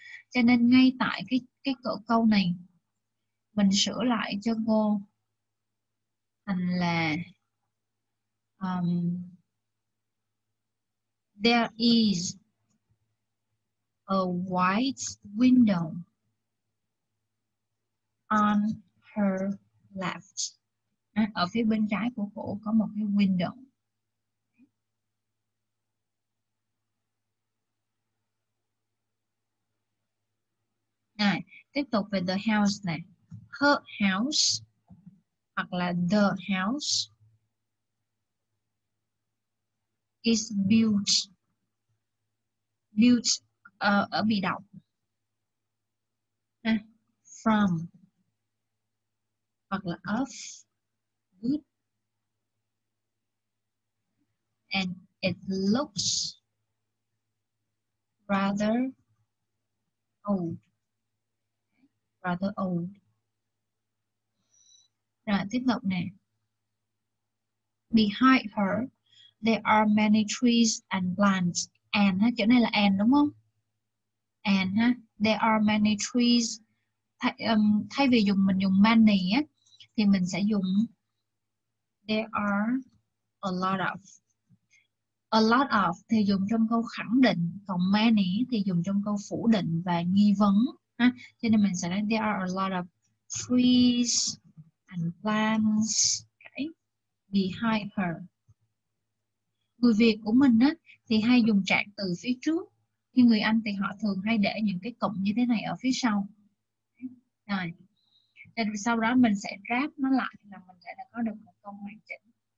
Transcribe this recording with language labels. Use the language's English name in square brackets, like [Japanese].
[Vietnamese] Cho nên ngay tại cái câu này mình sửa lại cho cô thành là [English] there is a white window on her left. [Vietnamese] Ở phía bên trái của cổ có một cái window. Này, tiếp tục về the house này. [English] Her house [Vietnamese] hoặc là [English] the house is built. [Vietnamese] Built ở bị động. [English] From [Vietnamese] hoặc là [English] of wood. And it looks rather old. Rather old. [Vietnamese] Rồi tiếp tục nè. [English] Behind her, there are many trees and plants. And ha, [Vietnamese] chỗ này là and đúng không? [English] And ha, there are many trees. [Vietnamese] Thay vì dùng mình dùng many á, thì mình sẽ dùng [English] there are a lot of. [Vietnamese] A lot of thì dùng trong câu khẳng định, còn many thì dùng trong câu phủ định và nghi vấn. Ha? Cho nên mình sẽ nói [English] there are a lot of trees and plants okay, behind her. [Vietnamese] Người Việt của mình á, thì hay dùng trạng từ phía trước. Nhưng người Anh thì họ thường hay để những cái cụm như thế này ở phía sau. Rồi. Rồi sau đó mình sẽ ráp nó lại là mình sẽ đã có được một câu hoàn chỉnh.